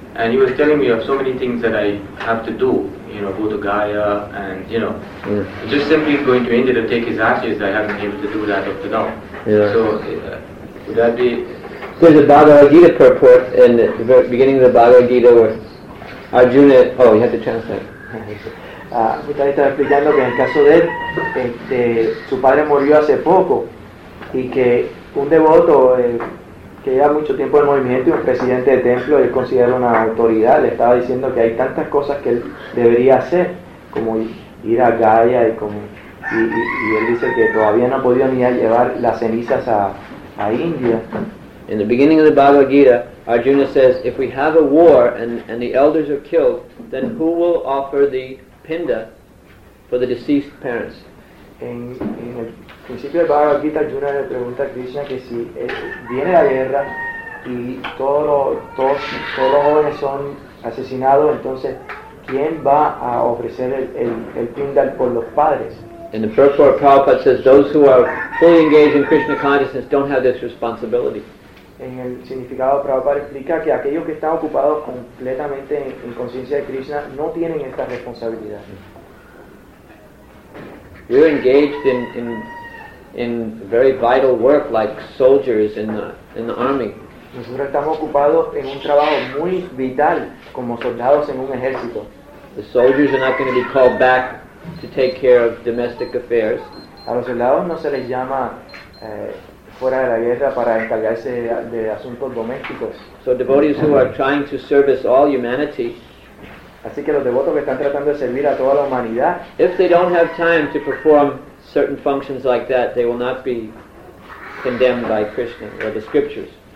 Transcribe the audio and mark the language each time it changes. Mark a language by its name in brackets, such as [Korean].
[English] And he was telling me of so many things that I have to do, you know, go to Gaya and, you know, yeah. just simply going to India to take his ashes, I haven't been able to do that up to now. Yeah. So, would that be... There's a Bhagavad Gita purport in the very beginning of the Bhagavad Gita where Arjuna... Oh, you have to translate. [Spanish] Usted está explicando que en el caso de él, este, su padre murió hace poco y que un devoto que lleva mucho tiempo en el movimiento y un presidente de templo, él considera una autoridad, le estaba diciendo que hay tantas cosas que él debería hacer, como ir a Gaya y como y él dice que todavía no ha podido ni llevar las cenizas a India. [English] In the beginning of the Bhagavad Gita, Arjuna says, if we have a war and the elders are killed, then who will offer the pinda for the deceased parents? [Spanish] En el principio del Bhagavad Gita, Arjuna le pregunta a Krishna que si viene la guerra y todos los jóvenes son asesinados, entonces, ¿quién va a ofrecer el pinda por los padres? [English] In the purport, Prabhupada says, those who are fully engaged in Krishna consciousness don't have this responsibility. [Spanish] En el significado, Prabhupada explica que aquellos que están ocupados completamente en conciencia de Krishna no tienen esta responsabilidad. [English] You're engaged in very vital work like soldiers in the army. [Spanish] Nosotros estamos ocupados en un trabajo muy vital como soldados en un ejército. [English] The soldiers are not going to be called back to take care of domestic affairs. [Spanish] A los soldados no se les llama fuera de la guerra para encargarse de asuntos domésticos. [English] So devotees who are trying to service all humanity, [Spanish] así que los devotos que están tratando de servir a toda la humanidad, [English] if they don't have time to perform certain functions like that, they will not be condemned by Krishna or the scriptures.